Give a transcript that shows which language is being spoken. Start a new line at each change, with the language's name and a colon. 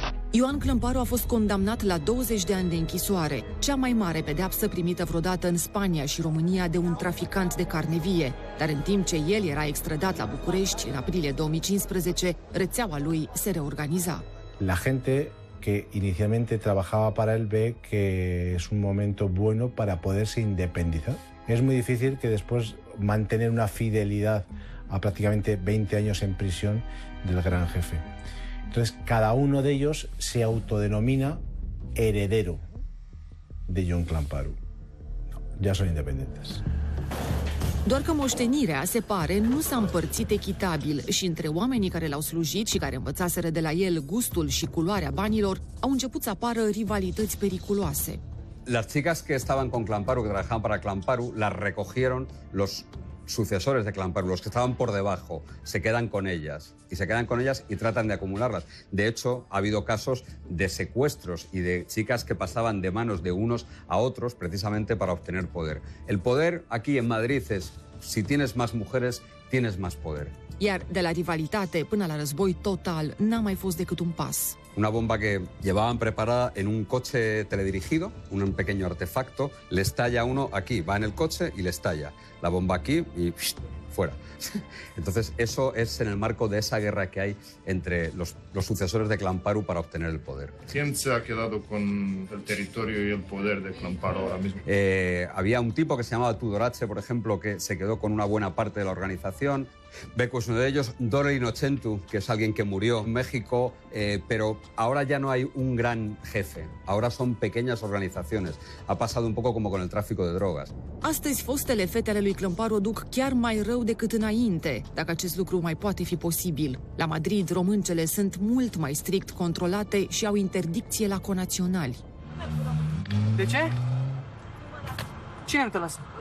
Romanian: Ioan Clămparu a fost condamnat la 20 de ani de închisoare, cea mai mare pedeapsă primită vreodată în Spania și România de un traficant de carne vie. Dar în timp ce el era extradat la București, în aprilie 2015, rețeaua lui se reorganiza.
Spanish: La gente que inicialmente trabajaba para él ve que es un momento bueno para poderse independizar. Es muy difícil que después mantener una fidelidad a prácticamente 20 años en prisión del gran jefe. Entonces, cada uno de ellos se autodenomina heredero de Ioan Clămparu. Ya son independientes.
Romanian: Doar că moștenirea, se pare, nu s-a împărțit echitabil și între oamenii care l-au slujit și care învățaseră de la el gustul și culoarea banilor, au început să apară rivalități periculoase.
Spanish: Las chicas que estaban con Clămparu, que trabajaban para Clămparu, las recogieron los sucesores de Clămparu, los que estaban por debajo, se quedan con ellas y se quedan con ellas y tratan de acumularlas. De hecho, ha habido casos de secuestros y de chicas que pasaban de manos de unos a otros precisamente para obtener poder. El poder aquí en Madrid es, si tienes más mujeres, tienes más poder.
Romanian: Iar de la rivalitate până la război total n-a mai fost decât un pas.
Spanish: Una bomba que llevaban preparada en un coche teledirigido, un pequeño artefacto, le estalla uno aquí, va en el coche y le estalla la bomba aquí y psh, fuera. Entonces eso es en el marco de esa guerra que hay entre los sucesores de Clămparu para obtener el poder. ¿Quién se ha quedado con el territorio y el poder de Clămparu ahora mismo? Había un tipo que se llamaba Tudorache, por ejemplo, que se quedó con una buena parte de la organización. Beco es uno de ellos, Dore Inocentu, que es alguien que murió en México, pero ahora ya no hay un gran jefe, ahora son pequeñas organizaciones. Ha pasado un poco como con el tráfico de drogas.
Romanian: Astăzi, fostele fete ale lui Clămparu o duc chiar mai rău decât înainte, dacă acest lucru mai poate fi posibil. La Madrid, româncele sunt mult mai strict controlate și au interdicție la conaționali. De ce? Cine nu te lasă?